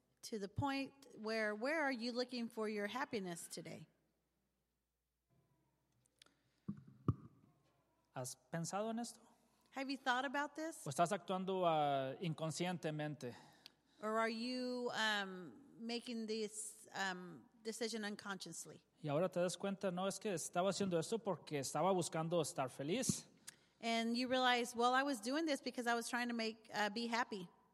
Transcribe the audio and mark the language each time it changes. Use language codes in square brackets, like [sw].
[en] To the point where are you looking for your happiness today? [es] ¿Has pensado en esto? [en] Have you thought about this? [es] ¿O estás actuando inconscientemente? [en] Or are you making this decision unconsciously? [es] Y ahora te das cuenta, no, es que estaba haciendo esto porque estaba buscando estar feliz. [en] And you realize, well, I was doing this because I was trying to make be happy.